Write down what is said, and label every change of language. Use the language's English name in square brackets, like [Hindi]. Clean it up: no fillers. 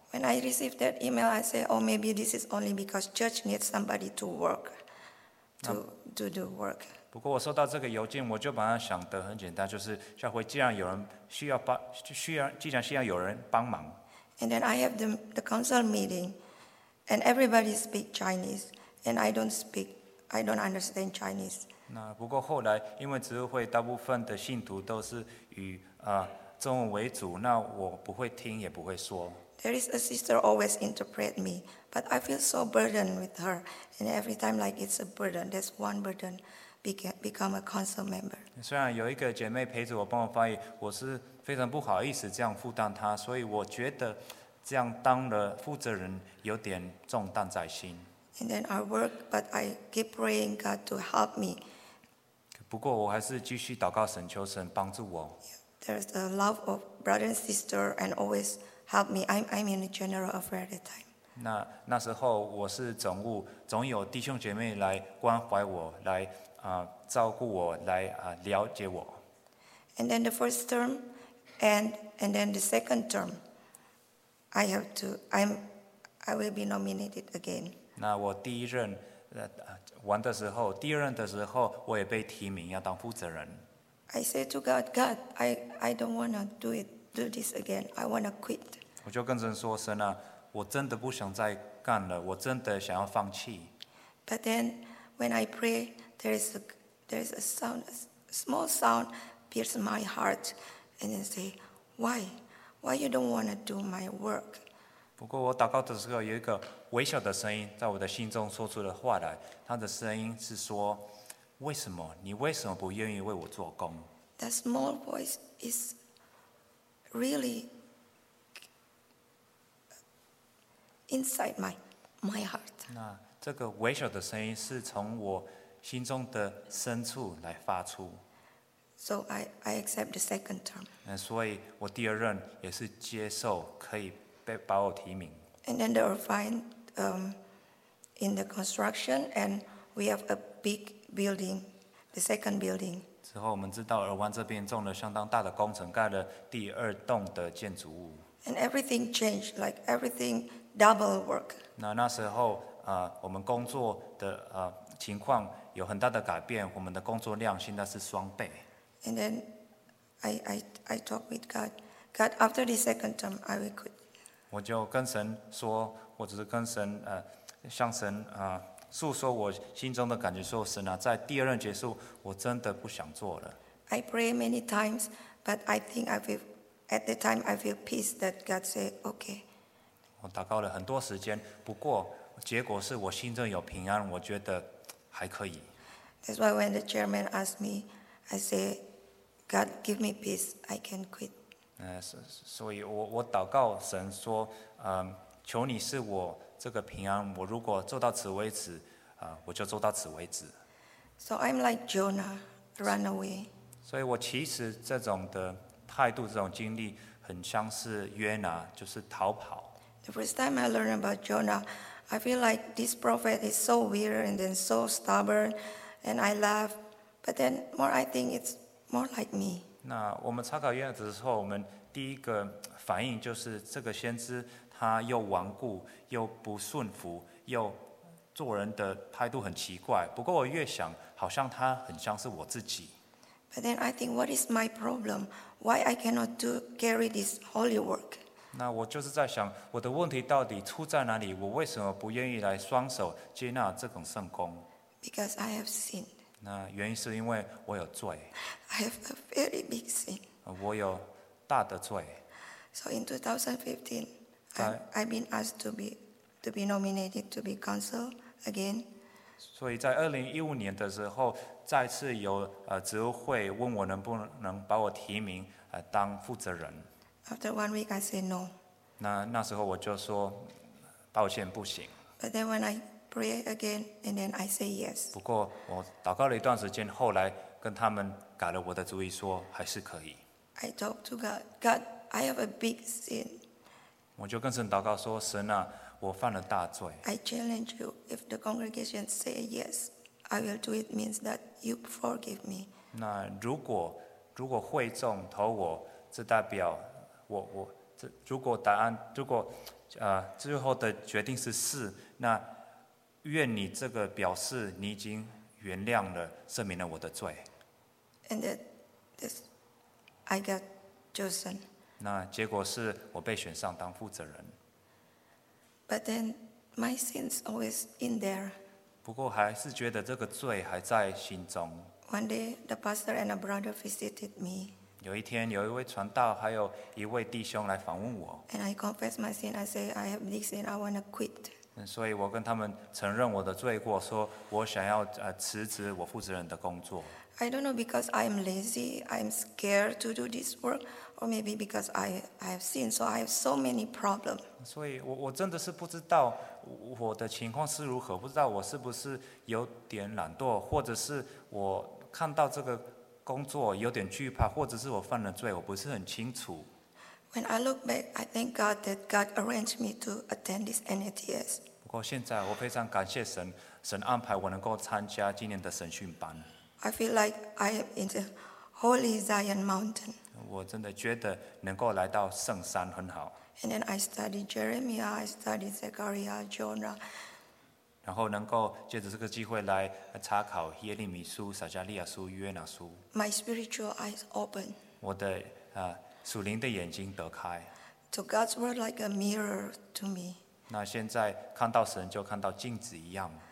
[English] When I received that email, I said, "Oh, maybe this is only because church needs somebody to work, to do work." [Chinese] 不过我收到这个邮件，我就把它想得很简单，就是教会既然有人需要帮，既然需要有人帮忙。 [English] And then I have the council meeting. And everybody speaks Chinese, and I don't understand Chinese. [Chinese] 那不过后来，因为职会大部分的信徒都是以中文为主，那我不会听，也不会说。 [English] There is a sister always interpret me, but I feel so burdened with her, and every time like it's a burden. That's one burden, become a council member. [Chinese] 虽然有一个姐妹陪着我帮我翻译，我是非常不好意思这样负担她，所以我觉得。这样当了负责人有点重担在心。 [English] And then I work, but I keep praying God to help me. [Chinese] 不过我还是继续祷告神，求神帮助我。 [English] There's the love of brother and sister, and always help me. I'm in the general affair at the time. [Chinese] 那时候我是总务，总有弟兄姐妹来关怀我，来照顾我，来了解我。 [English] And then the first term, and then the second term. I will be nominated again. [Chinese] 那我第一任玩的时候，第二任的时候，我也被提名要当负责人。 [English] I said to God, God, I don't want to do this again. I want to quit. [Chinese] 我就跟神说，神啊，我真的不想再干了，我真的想要放弃。 [English] But then, when I pray, there is a sound, a small sound, pierce my heart, and then say, why? Why you don't want to do my work? [Chinese] 不过我祷告的时候，有一个微小的声音在我的心中说出了话来。他的声音是说：“为什么你为什么不愿意为我做工 [English] ？”That small voice is really inside my heart. [Chinese] 那这个微小的声音是从我心中的深处来发出。 [English] So I accept the second term. [Chinese] 所以我第二任也是接受可以把我提名。 [English] And then they are fine in the construction, and we have a big building, the second building. [Chinese] 之后我们知道尔湾这边种了相当大的工程，盖了第二栋的建筑物。 [English] And everything changed, like everything double work. [Chinese] 那时候我们工作的情况有很大的改变，我们的工作量现在是双倍。 [English] And then I talk with God. God, after the second term, I will quit. [Chinese] 我就跟神说，我只是跟神向神诉说我心中的感觉，说神啊，在第二任结束，我真的不想做了。 [English] I pray many times, but I think I feel at the time I feel peace that God say okay. [Chinese] 我祷告了很多时间，不过结果是我心中有平安，我觉得还可以。 [English] That's why when the chairman asked me. I say, God, give me peace. I can quit. [Chinese] 所以我祷告神说，求你是我这个平安。我如果做到此为止，我就做到此为止。 [English] So I'm like Jonah, run away. [Chinese] 所以我其实这种的态度、这种经历，很像是约拿，就是逃跑。 [English] The first time I learned about Jonah, I feel like this prophet is so weird and then so stubborn, and I laughed. But then, more I think it's more like me. [Chinese] 那我们查考约拿的时候，我们第一个反应就是这个先知他又顽固又不顺服，又做人的态度很奇怪。不过我越想，好像他很像是我自己。 [English] But then I think, what is my problem? Why I cannot do carry this holy work? [Chinese] 那我就是在想，我的问题到底出在哪里？我为什么不愿意来双手接纳这种圣工 [English] ？Because I have sinned. [Chinese] 那原因是因为我有罪。 [English] I have a very big sin. [Chinese] 我有大的罪。 [English] So in 2015, I've been asked to be to be nominated to be council again. [Chinese] 所以在2015年的时候，再次由执委会问我能不能把我提名当负责人。 [English] After 1 week, I said no. [Chinese] 那时候我就说，抱歉，不行。 [English] But then when I pray again, and then I say yes. [Chinese] 不过我祷告了一段时间，后来跟他们改了我的主意，说还是可以。 [English] I talked to God. God, I have a big sin. [Chinese] 我就跟神祷告说，神啊，我犯了大罪。 [English] I challenge you. If the congregation say yes, I will do it. Means that you forgive me. [Chinese] 那如果会众投我，这代表我这如果答案如果最后的决定是是，那愿你这个表示你已经原谅了，赦免了我的罪。 [English] And that this, I got chosen. [Chinese] 那结果是我被选上当负责人。 [English] But then my sins always in there. [Chinese] 不过还是觉得这个罪还在心中。 [English] One day, the pastor and a brother visited me. [Chinese] 有一天，有一位传道还有一位弟兄来访问我。 [English] And I confessed my sin. I say I have this sin. I want to quit. [Chinese] 所以我跟他们承认我的罪过，说我想要辞职我负责人的工作。 [English] I don't know because I'm lazy. I'm scared to do this work. Or maybe because I have sinned, so I have so many problems. [Chinese] 所以我真的是不知道我的情况是如何，不知道我是不是有点懒惰，或者是我看到这个工作有点惧怕，或者是我犯了罪，我不是很清楚。 [English] When I look back, I thank God that God arranged me to attend this NATS. [Chinese] 不过现在我非常感谢神，神安排我能够参加今年的神训班。 [English] I feel like I am in the Holy Zion Mountain. [Chinese] 我真的觉得能够来到圣山很好。 [English] And then I studied Jeremiah, I studied Zechariah, Jonah. [Chinese] 然后能够借着这个机会来查考耶利米书、撒迦利亚书、约拿书。 [English] My spiritual eyes open. [Chinese] 我的属灵的眼睛得开。 [English] So God's word like a mirror to me. [Chinese] 那现在看到神就看到镜子一样。